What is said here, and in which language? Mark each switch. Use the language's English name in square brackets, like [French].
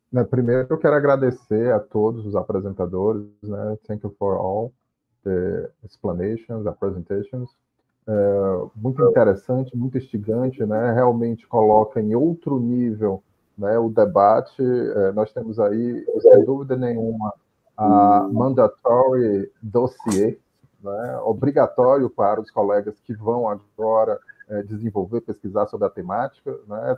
[Portuguese] Primeiro, eu quero agradecer a todos os apresentadores, né? [English] Thank you for all the explanations, the presentations. [Portuguese] É muito interessante, muito instigante, né? Realmente coloca em outro nível, né, o debate. Nós temos aí, sem dúvida nenhuma, a [English] mandatory dossier, [Portuguese] né? Obrigatório para os colegas que vão agora desenvolver, pesquisar sobre a temática, né?